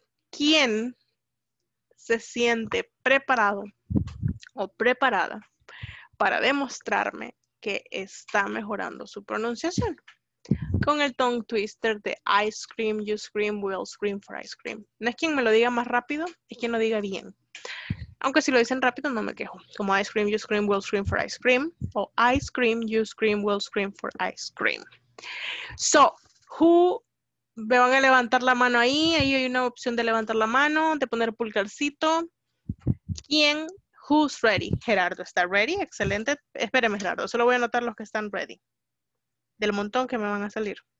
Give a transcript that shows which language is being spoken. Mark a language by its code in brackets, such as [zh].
[es] ¿Quién se siente preparado o preparada para demostrarme que está mejorando su pronunciación? Con el tongue twister de [en] ice cream, you scream, we'll scream for ice cream. [es] No es quien me lo diga más rápido, es quien lo diga bien. Aunque si lo dicen rápido, no me quejo. [en] Como ice cream, you scream, we'll scream for ice cream. O ice cream, you scream, we'll scream for ice cream. So, who... [es] Me van a levantar la mano ahí. Ahí hay una opción de levantar la mano, de poner pulgarcito. ¿Quién? [en] Who's ready? [es] Gerardo, ¿está ready? Excelente. Espéreme, Gerardo. Solo voy a anotar los que están ready. Del montón que me van a salir.